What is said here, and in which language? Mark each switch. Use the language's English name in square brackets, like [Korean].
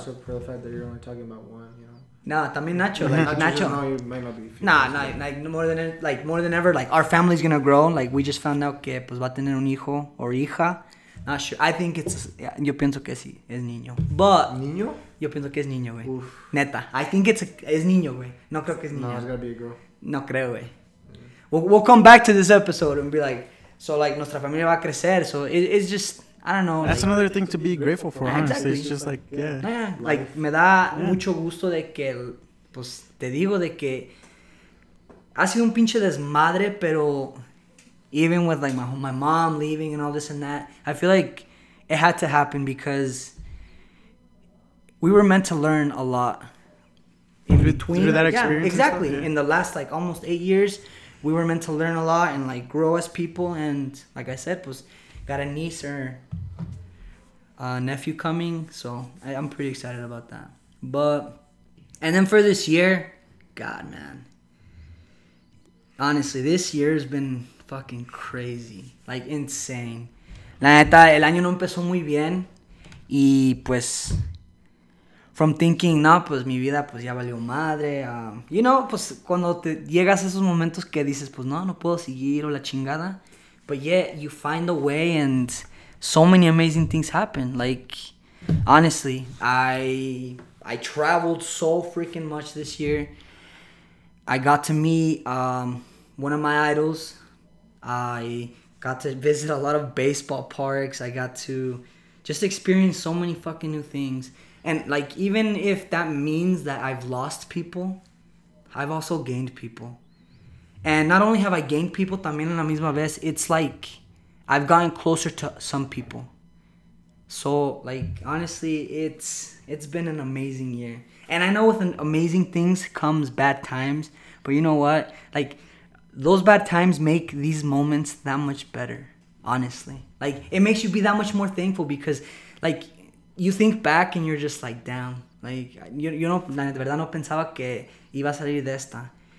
[English] also for the fact that you're only talking about one, you know? [Spanish] Nah, también Nacho, like, Nacho. [English] Just, no, you might not be feeling, nah, so, nah, like, more than ever, like, our family's gonna grow, like, we just found out [Spanish] que, pues, va a tener un hijo o hija. [English] Not sure, I think it's, yeah, [Spanish] yo pienso que sí, es niño. [English] But, [Spanish] ¿niño? Yo pienso que es niño, güey. Neta. [English] I think it's [Spanish] es niño, güey. No creo que es niño. [English] No, it's gotta be a girl. [Spanish] No creo, güey. Yeah. [English] We'll come back to this episode and be like, so, like, [Spanish] nuestra familia va a crecer. [English] So, it's just, I don't know. That's like, another thing to be grateful for, honestly. Exactly. It's just like, yeah. Yeah. Like, [Spanish] me da mucho gusto de que, pues, te digo de que ha sido un pinche desmadre, pero [English] even with, like, my mom leaving and all this and that, I feel like it had to happen because we were meant to learn a lot in between. Through that experience? Yeah, exactly. Yeah. In the last, like, almost 8 years, we were meant to learn a lot and, like, grow as people. And, like I said, pues, got a niece or a nephew coming. So, I'm pretty excited about that. But, and then for this year, God, man. Honestly, this year has been fucking crazy. Like, insane. [Spanish] La neta, el año no empezó muy bien. Y pues, [English] from thinking, [Spanish] no, pues mi vida pues ya valió madre. [English] You know, [Spanish] pues cuando te llegas a esos momentos que dices, pues no, no puedo seguir o la chingada. [English] But yeah, you find a way and so many amazing things happen. Like, honestly, I traveled so freaking much this year. I got to meet one of my idols. I got to visit a lot of baseball parks. I got to just experience so many fucking new things. And like, even if that means that I've lost people, I've also gained people. And not only have I gained people, [Spanish] también en la misma vez, [English] it's like I've gotten closer to some people. So, like, honestly, it's been an amazing year. And I know with amazing things comes bad times. But you know what? Like, those bad times make these moments that much better, honestly. Like, it makes you be that much more thankful because, like, you think back and you're just like, damn. Like, you know, [Spanish] la verdad no pensaba que iba a salir de esta.